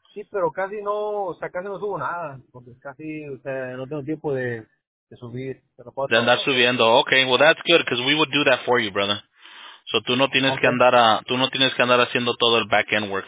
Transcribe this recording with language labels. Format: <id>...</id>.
<es>Pero casi no, o sea, casi no subo nada, porque casi, o sea, no tengo tiempo de subir. De andar subiendo.</es> <en>Okay, well that's good because we would do that for you, brother.</en> <es>So tú no tienes que andar haciendo todo el back end work.</es>